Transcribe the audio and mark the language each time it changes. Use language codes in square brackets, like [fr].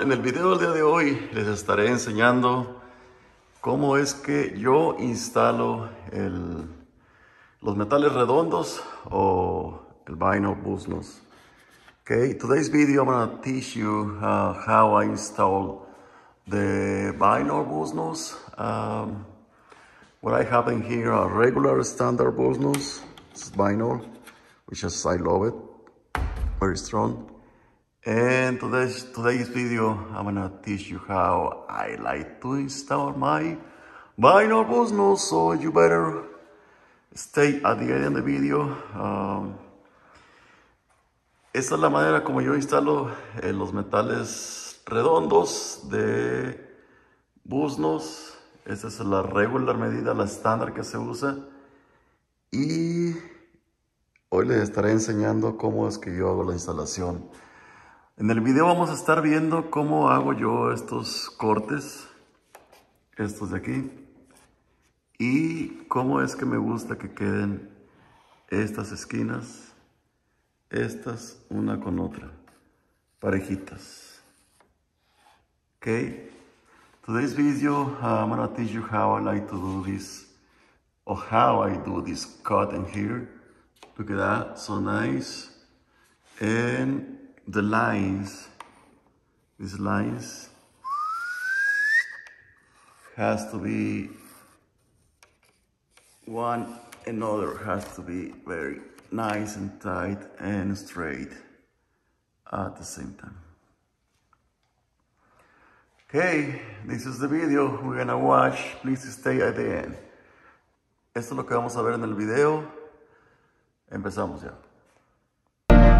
[es] En el video del día de hoy les estaré enseñando cómo es que yo instalo los metales redondos o el vinyl business. [en] Okay, today's video I'm going to teach you how I install the vinyl business. What I have in here are regular standard business. It's vinyl, which is, I love it, very strong. And today's video, I'm gonna teach you how I like to install my vinyl business. So you better stay at the end of the video. [es] Esta es la manera como yo instalo los metales redondos de business. Esta es la regular medida, la estándar que se usa. Y hoy les estaré enseñando cómo es que yo hago la instalación. En el video vamos a estar viendo cómo hago yo estos cortes, estos de aquí, y cómo es que me gusta que queden estas esquinas, estas una con otra, parejitas. [en] Okay. Today's video, I'm gonna teach you how I like to do this, or how I do this cut in here. Look at that, so nice. And the lines, these lines has to be one another, has to be very nice and tight and straight at the same time. Okay, this is the video we're gonna watch. Please stay at the end. [es] Esto es lo que vamos a ver en el video. Empezamos ya.